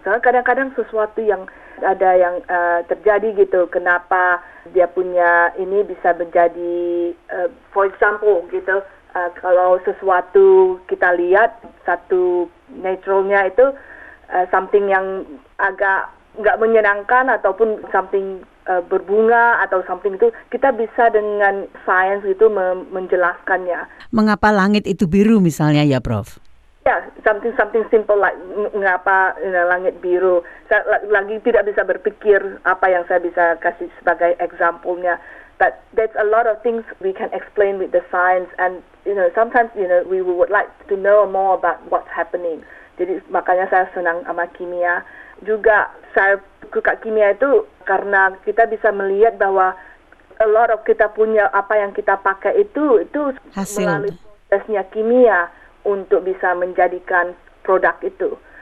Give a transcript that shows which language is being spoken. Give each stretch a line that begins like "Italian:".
Indonesian: Soalnya kadang-kadang sesuatu yang ada yang terjadi gitu, kenapa dia punya ini bisa menjadi,
English: for example
Indonesian: gitu, kalau sesuatu kita lihat, satu naturalnya itu something yang agak gak menyenangkan ataupun something berbunga atau something itu, kita bisa dengan science itu menjelaskannya. Mengapa langit itu biru misalnya ya Prof? Ya, yeah,
English: something simple like
Indonesian: ngapa langit biru. Saya lagi tidak bisa berpikir apa yang saya bisa kasih sebagai example-nya.
English: But that's a lot of things we can explain with the science. And you know, sometimes you know we would like to know more about what's happening.
Indonesian: Jadi makanya saya senang sama kimia. Juga saya suka kimia itu karena kita bisa melihat bahwa
English: a lot of
Indonesian: kita punya apa yang kita pakai itu hasil melalui prosesnya kimia untuk bisa menjadikan produk itu.